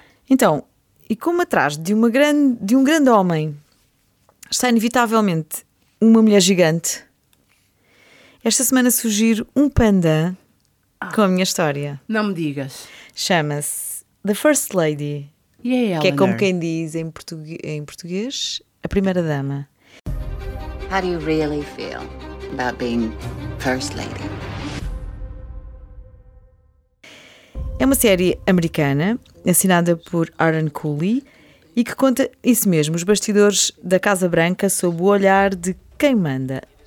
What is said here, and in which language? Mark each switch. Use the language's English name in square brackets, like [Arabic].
[Portuguese] Então, e como atrás de um grande homem está inevitavelmente uma mulher gigante, esta semana surgir um panda. Com a minha história. Não me digas. chama-se The First Lady. E é, que é como quem diz em português, a Primeira Dama. [English] How do you really feel about being First Lady? [Portuguese] É uma série americana, assinada por Aaron Cooley, e que conta isso mesmo, os bastidores da Casa Branca sob o olhar de quem manda.